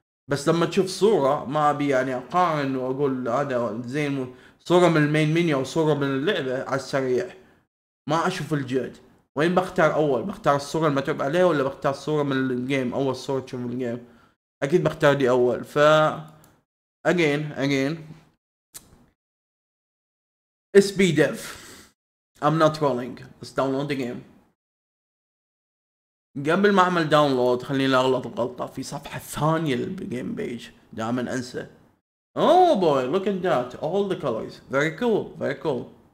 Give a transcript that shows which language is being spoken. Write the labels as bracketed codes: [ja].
[ar] بس لما تشوف صورة ما ابي يعني اقارن واقول هذا زين، صورة من المين منيو وصورة من اللعبة على السريع ما اشوف الجهد، وين بختار اول، بختار الصورة المتعب عليها ولا بختار صورة من الجيم، اول صورة تشوف من الجيم اكيد بختار دي اول. [en] ف again SB dev I'm not trolling, let's download the game. [ar] قبل ما اعمل داونلود خليني اغلط الغلطة في صفحة ثانية للجيم بيج، دائما انسى. [en] Oh boy, look at that, all the colors, very cool.